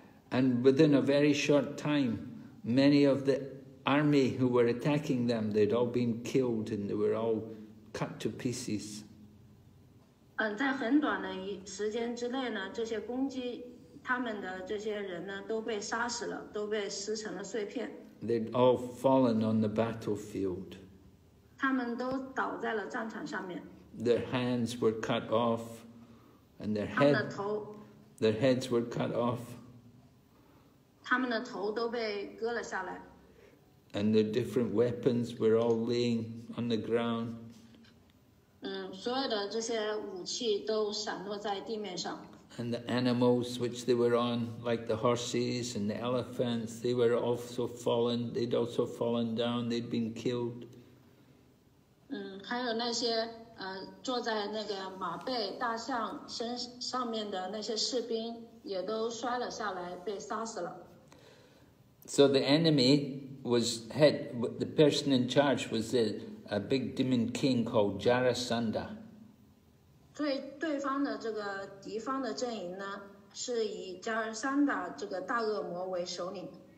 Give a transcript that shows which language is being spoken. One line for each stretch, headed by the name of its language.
English: And within a very short time, many of the army who were attacking them, they'd all been killed and they were all cut to pieces.
Chinese: 在很短的时间之内呢，这些攻击他们的这些人呢，都被杀死了，都被撕成了碎片。
English: They'd all fallen on the battlefield.
Chinese: 他们都倒在了战场上面。
English: Their hands were cut off, and their head. Their heads were cut off.
Chinese: 他们的头都被割了下来。
English: And their different weapons were all laying on the ground.
Chinese: 所有的这些武器都散落在地面上。
English: And the animals which they were on, like the horses and the elephants, they were also fallen. They'd also fallen down. They'd been killed.
Chinese: 还有那些。坐在那个马背大象身上面的那些士兵也都摔了下来，被杀死了。
English: So the enemy was head, the person in charge was a big demon king called Jarasandha.
Chinese: 对方的这个敌方的阵营呢，是以 Jarasandha 这个大恶魔为首领。